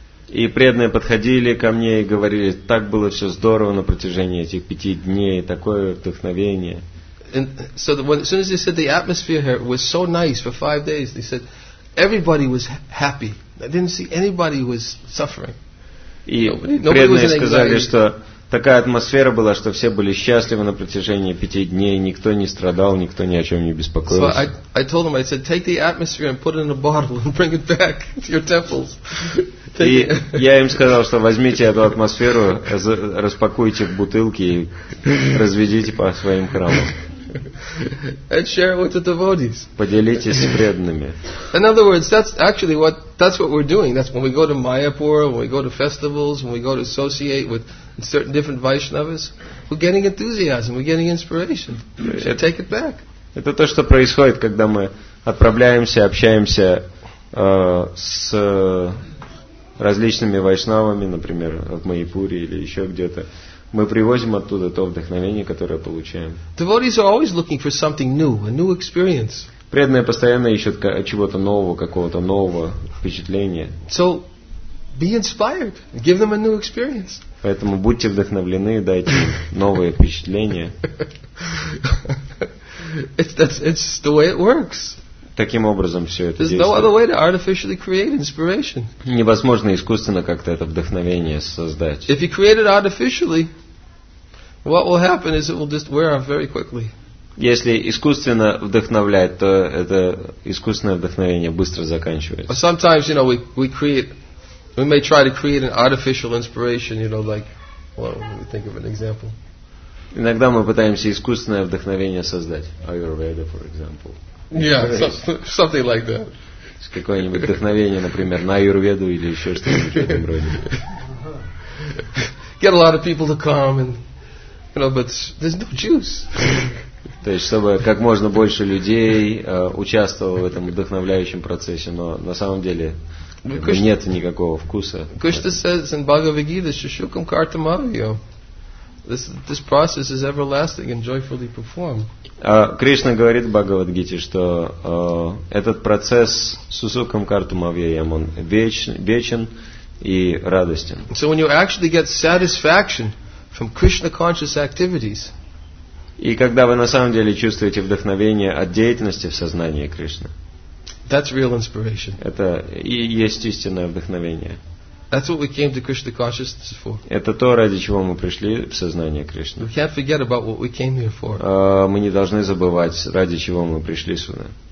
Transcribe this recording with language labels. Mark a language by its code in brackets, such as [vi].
[ru] И преданные подходили ко мне и говорили, так было все здорово на протяжении этих 5 дней, такое вдохновение. [en] And so as soon as they said the atmosphere here was so nice for 5 days, they said everybody was happy. I didn't see anybody who was suffering. [ru] И преданные сказали, что такая атмосфера была, что все были счастливы на протяжении 5 дней, никто не страдал, никто ни о чем не беспокоился. [en] So I told them, I said, take the atmosphere and put it in a bottle and bring it back to your temples. [ru] И я им сказал, что возьмите эту атмосферу, распакуйте в бутылки и разведите по своим храмам. [en] And share it with the devotees. [ru] Поделитесь с преданными. [en] In other words, that's actually what we're doing. That's when we go to Mayapur, when we go to festivals, when we go to associate with certain different Vaishnavas, we're getting enthusiasm, we're getting inspiration. We should take it back. [ru] Это то, что происходит, когда мы отправляемся, общаемся с различными Вайшнавами, например, в Майяпуре или еще где-то. Мы привозим оттуда то вдохновение, которое получаем. [en] Devotees are always looking for something new, a new experience. [ru] Преданные постоянно ищут чего-то нового, какого-то нового впечатления. [en] So, be inspired. Give them a new experience. [ru] Поэтому будьте вдохновлены, дайте им новые впечатления. [en] It's the way it works. [ru] Таким образом все это действует. [en] There's no other way to artificially create inspiration. [ru] Невозможно искусственно как-то это вдохновение создать. [en] If you create it artificially, what will happen is it will just wear off very quickly. [ru] Если искусственно вдохновлять, то это искусственное вдохновение быстро заканчивается. [en] Sometimes, you know, we may try to create an artificial inspiration, you know, like, well, let me think of an example. [ru] Иногда мы пытаемся искусственное вдохновение создать. [en] Ayurveda, for example. Yeah, something like that. [ru] С какое-нибудь вдохновение, например, на аюрведу или еще что-нибудь в этом роде. [en] Get a lot of people to come, and you know, but there's no juice. [ru] То есть, чтобы как можно больше людей участвовало в этом вдохновляющем процессе, но на самом деле нет никакого вкуса. [en] Кришна says in Bhagavad Gita, "Shushukam kartamavyo." This process is everlasting and joyfully performed. [ru] Кришна говорит в Бхагавад-гите, что этот процесс сусукам картам авьяям, он вечен и радостен. [en] So when you actually get satisfaction from Krishna conscious activities, [ru] И когда вы на самом деле чувствуете вдохновение от деятельности в сознании Кришны. [en] That's real inspiration. [ru] Это и есть истинное вдохновение. [en] That's what we came to Krishna consciousness for. [ru] Это то, ради чего мы пришли в сознание Кришны. [en] We can't forget about what we came here for. [ru] Мы не должны забывать, ради чего мы пришли сюда.